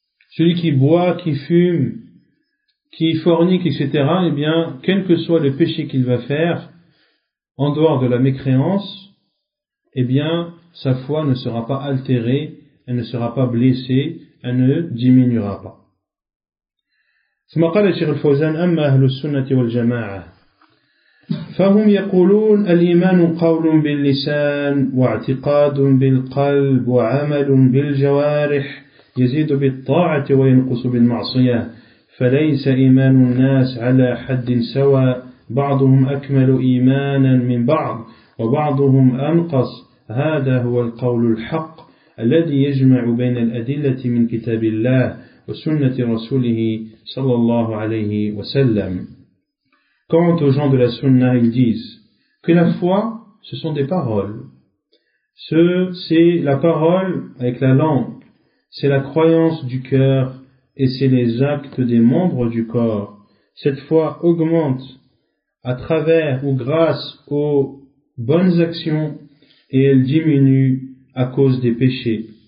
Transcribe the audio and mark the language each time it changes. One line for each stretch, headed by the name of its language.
French: Celui qui boit, qui fume, qui fornique, etc., eh bien, quel que soit le péché qu'il va faire, en dehors de la mécréance, eh bien, sa foi ne sera pas altérée, elle ne sera pas blessée, elle ne diminuera pas.
Arabic: ثم قال الشيخ الفوزان أما أهل السنة والجماعة فهم يقولون الإيمان قول باللسان واعتقاد بالقلب وعمل بالجوارح يزيد بالطاعة وينقص بالمعصية فليس إيمان الناس على حد سواء بعضهم أكمل إيمانا من بعض وبعضهم أنقص هذا هو القول الحق الذي يجمع بين الأدلة من كتاب الله وسنة رسوله صلى الله عليه وسلم.
French: Quant aux gens de la sunna, ils disent que la foi, ce sont des paroles. C'est la parole avec la langue, c'est la croyance du cœur et c'est les actes des membres du corps. Cette foi augmente à travers ou grâce aux bonnes actions et elle diminue à cause des péchés.